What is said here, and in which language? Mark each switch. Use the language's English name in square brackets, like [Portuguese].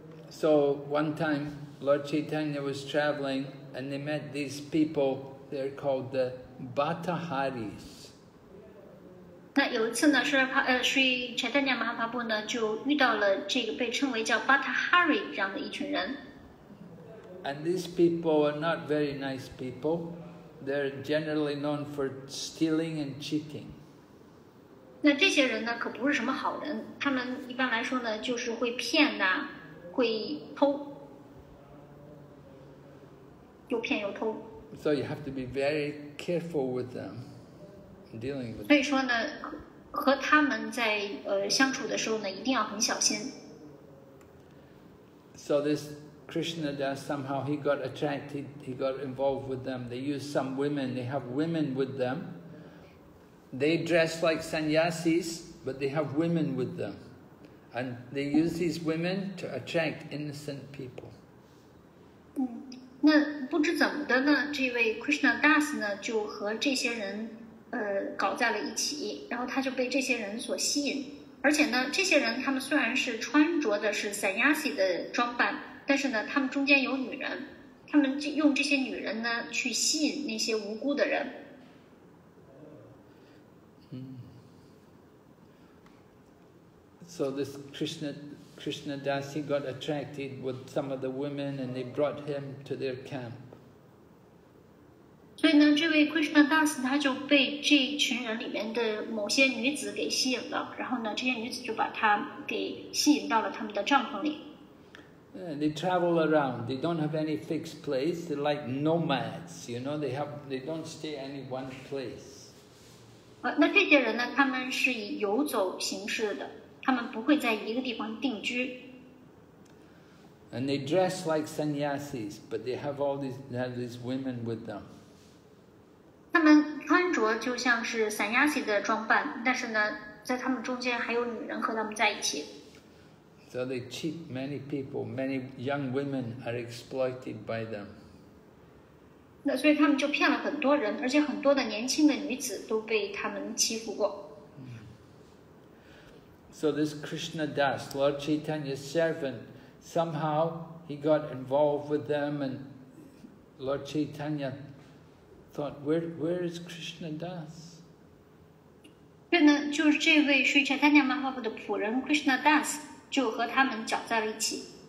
[English] So one time, Lord Chaitanya was traveling, and they met these people. They're called the Bataharis. [Chinese] 那有一次呢，所以 Chaitanya Mahaprabhu 呢就遇到了这个被称为叫 Batthari 这样的一群人。 [English] And these people are not very nice people. They're generally known for stealing and cheating. [Chinese] 那这些人呢可不是什么好人，他们一般来说呢就是会骗呐、啊，会偷，又骗又偷。 [English] So you have to be very careful with them. Dealing with [Chinese] 所以说呢，和他们在相处的时候呢，一定要很小心。 [English] So this Krishna Das somehow he got attracted, he got involved with them. They use some women, they have women with them. They dress like sannyasis, but they have women with them, and they use these women to attract innocent people. [Chinese] 那不知怎么的呢，这位 Krishna Das 呢就和这些人搞在了一起，然后他就被这些人所吸引。而且呢，这些人他们虽然是穿着的是 sannyasi 的装扮，但是呢，他们中间有女人，他们用这些女人呢去吸引那些无辜的人。 [English] So this Krishna Das he got attracted with some of the women, and they brought him to their camp. [Chinese] 所以呢，这位 Krishna Das 他就被这群人里面的某些女子给吸引了，然后呢，这些女子就把他给吸引到了他们的帐篷里。 [English] And they travel around. They don't have any fixed place. They're like nomads, you know. They don't stay any one place. [Chinese] 那这些人呢？他们是以游走形式的。他们不会在一个地方定居。 [English] And they dress like sannyasis, but they have all these women with them. [Chinese] 他们穿着就像是 sannyasi 的装扮，但是呢，在他们中间还有女人和他们在一起。 [English] So they cheat many people. Many young women are exploited by them. [Chinese] 那所以他们就骗了很多人，而且很多的年轻的女子都被他们欺负过。 [English] So this Krishna Das, Lord Chaitanya's servant, somehow he got involved with them, and Lord Chaitanya thought, where is Krishna Das? [Chinese] 就是这位 Sri Chaitanya Mahaprabhu 的仆人 Krishna Das 就和他们搅在了一起。